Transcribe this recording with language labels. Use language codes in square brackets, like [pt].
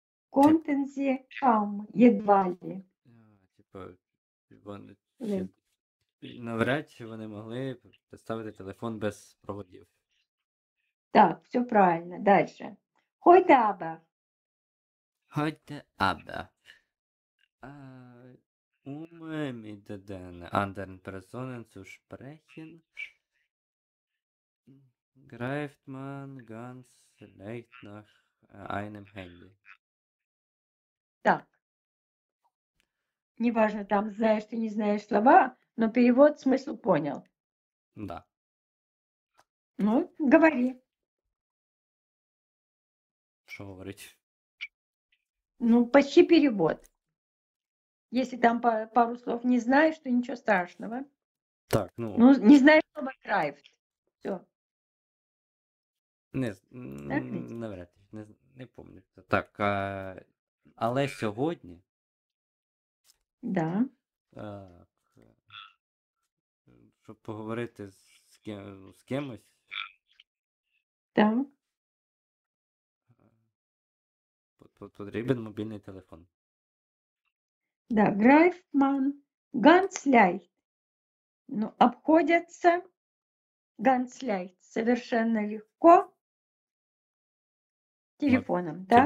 [de] Konnten Sie kaum, [ru] едва ли. [uk] Навряд чи вони могли представити телефон без проводів. [ru] Так, все правильно. Дальше. [de] Heute aber. Heute aber. mit den anderen Personen zu sprechen, greift man ganz leicht nach einem Handy. [ru] Так. Неважно, там знаешь ты не знаешь слова, но перевод смысл понял. Да. Ну, говори. Что говорить? Ну, почти перевод. Если там пару слов не знаешь, то ничего страшного. Так, ну... Ну, не знаешь слово «крайфт». Все. Нет, навряд ли, не помню. Так, [uk] але сьогодні... [ru] Да. [uk] Так, щоб поговорити з кимось... Так. Потрібен мобільний телефон. [de] Да, greift man ganz leicht. [ru] Ну, обходяться [de] ganz leicht, [ru] совершенно легко телефоном, да?